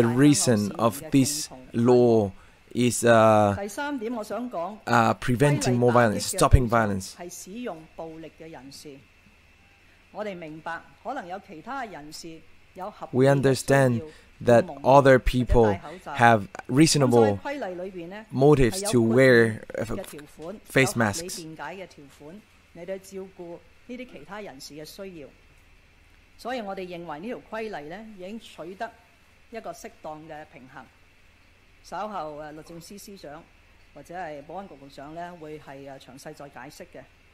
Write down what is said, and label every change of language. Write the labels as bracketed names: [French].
[English] reason of this law is preventing more violence, stopping violence. [Cantonese] 是使用暴力的人士，我們明白可能有其他人士 [English] We understand that other people have reasonable motives to wear face masks. [Cantonese] 有合理辯解的條款來照顧這些其他人士的需要。所以我們認為這條規例已經取得一個適當的平衡。稍後律政司司長或者保安局局長會詳細再解釋的。